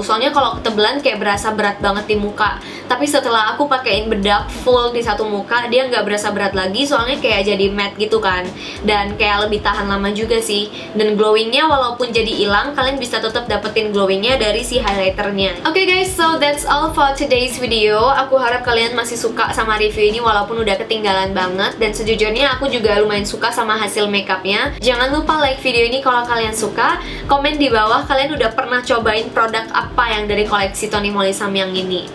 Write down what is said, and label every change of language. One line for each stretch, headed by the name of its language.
Indonesian: Soalnya kalau ketebelan kayak berasa berat banget di muka. Tapi setelah aku pakein bedak full di satu muka, dia gak berasa berat lagi. Soalnya kayak jadi matte gitu kan. Dan kayak lebih tahan lama juga sih. Dan glowingnya walaupun jadi hilang, kalian bisa tetap dapetin glowingnya dari si highlighternya.
English: Okay guys, so that's all for today's video.
Indonesian: Aku harap kalian masih suka sama review ini walaupun udah ketinggalan banget. Dan sejujurnya aku juga lumayan suka sama hasil makeupnya. Jangan lupa like video ini kalau kalian suka. Komen di bawah kalian udah pernah cobain produk apa yang dari koleksi Tony Moly Samyang ini.